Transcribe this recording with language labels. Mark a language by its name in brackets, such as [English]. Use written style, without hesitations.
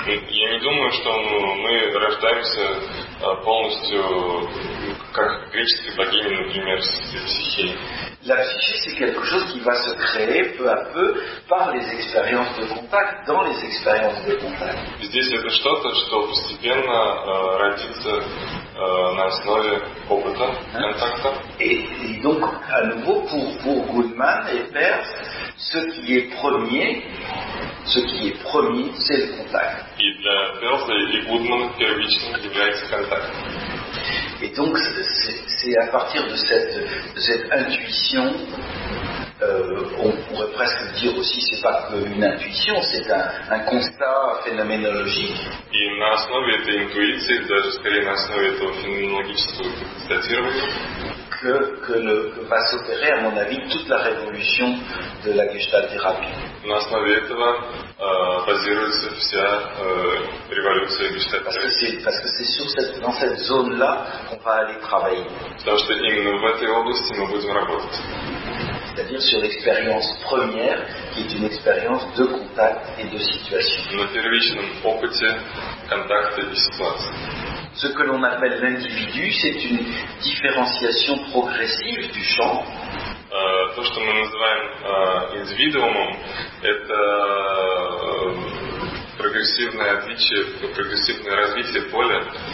[Russian] Я не думаю, что мы рождаемся полностью как греческие богини, например, с психией. [French] La psyché, c'est quelque chose qui va se créer peu à peu par les expériences de contact, dans les expériences de contact. [Russian] Здесь это что-то, что постепенно родится на основе опыта, контакта. [French] Et donc, à nouveau, pour Goodman et Peirce, ce qui est premier, c'est le contact. [Russian] И для Peirce и Goodman первичным является контакт. [French] Et donc, c'est à partir de cette intuition, on pourrait presque dire aussi, c'est pas une intuition, c'est un constat phénoménologique. [Russian] И на основе этой интуиции, даже скорее на основе этого феноменологического констатирования, [French] que va s'opérer, à mon avis, toute la révolution de la Gestalt-thérapie. [Russian] На основе этого базируется вся революция Гештальт-терапии. [French] Parce que c'est sur cette zone-là qu'on va aller travailler. [Russian] Потому что именно в этой области мы будем работать. [French] C'est-à-dire sur l'expérience première, qui est une expérience de contact et de situation. [Russian] На первичном опыте контакта и ситуации. [French] Ce que l'on appelle l'individu, c'est une différenciation progressive du champ. [Russian] То, что мы называем индивидуумом, это прогрессивное отличие, прогрессивное развитие поля.